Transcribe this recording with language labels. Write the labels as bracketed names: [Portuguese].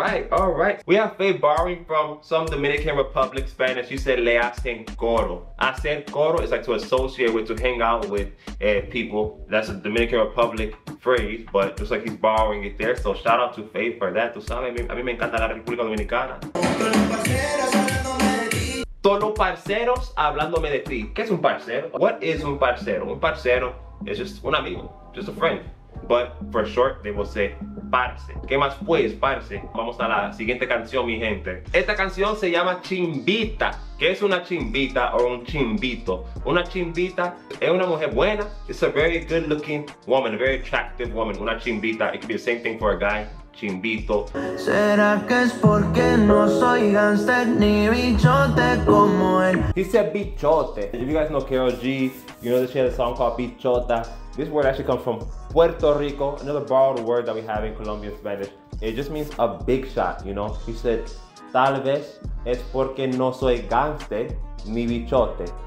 [English] All right. We have Feid borrowing from some Dominican Republic Spanish. You said [Spanish] le hacen coro. Hacer coro [English] is like to associate with, to hang out with people. That's a Dominican Republic phrase, but looks like he's borrowing it there. So shout out to Feid for that. [Spanish] Tú sabes, a mí me encanta la República Dominicana. Todos parceros hablándome de ti. ¿Qué es un parcero? [English] What is un parcero? Un parcero is just un amigo, just a friend. But for short, they will say parce. [Spanish] ¿Qué más pues, parce? Vamos a la siguiente canción, mi gente. Esta canción se llama Chimbita. ¿Qué es una chimbita o un chimbito? Una chimbita es una mujer buena. [English] It's a very good looking woman, a very attractive woman. Una chimbita, it could be the same thing for a guy. Chimbito. [Spanish] ¿Será que es porque no soy gangster ni bichote como él? [English] He said bichote. If you guys know Karol G, you know that she had a song called Bichota. This word actually comes from Puerto Rico, another borrowed word that we have in Colombian Spanish. It just means a big shot, you know? He said, [Spanish] tal vez es porque no soy gangster ni bichote.